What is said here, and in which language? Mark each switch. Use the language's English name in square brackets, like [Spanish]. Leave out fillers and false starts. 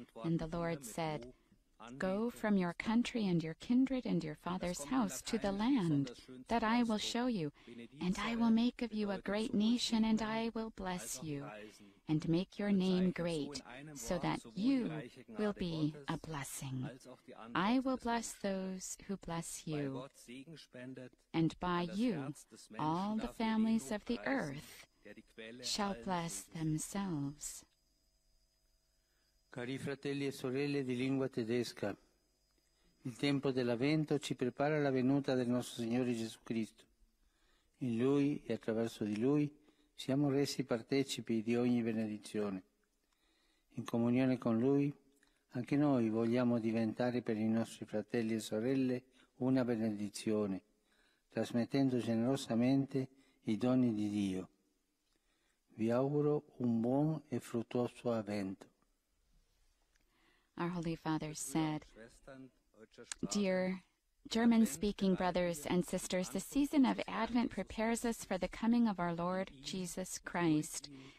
[English] And the Lord said, go from your country and your kindred and your father's house to the land that I will show you, and I will make of you a great nation, and I will bless you and make your name great, so that you will be a blessing. I will bless those who bless you, and by you all the families of the earth shall bless themselves. [Italian] Cari fratelli e sorelle di lingua tedesca, il tempo dell'Avvento ci prepara la venuta del nostro Signore Gesù Cristo. In Lui e attraverso di Lui siamo resi partecipi di ogni benedizione. In comunione con Lui, anche noi vogliamo diventare per i nostri fratelli e sorelle una benedizione, trasmettendo generosamente i doni di Dio. Vi auguro un buon e fruttuoso Avvento. [English] Our Holy Father said, dear German-speaking brothers and sisters, the season of Advent prepares us for the coming of our Lord Jesus Christ.